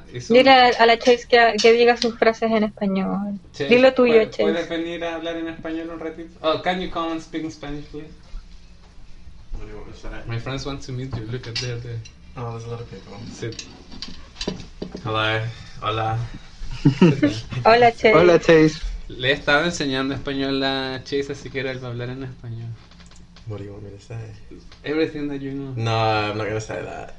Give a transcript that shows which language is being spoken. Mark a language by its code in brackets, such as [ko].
[es] Dile a la Chase que diga sus frases en español. Chase, dilo tuyo, Chase. ¿Puedes venir a hablar en español un ratito? [en] Oh, can you come and speak in Spanish, please? What do you want to say? My friends want to meet you. Look at there. Oh, there's a lot of people. Sit. Hello. Hola. [es] Hola, Chase. Hola, Chase. Le estaba enseñando español a Chase, así que era él va a hablar en español. [en] What do you want me to say? Everything that you know. No, I'm not going to say that.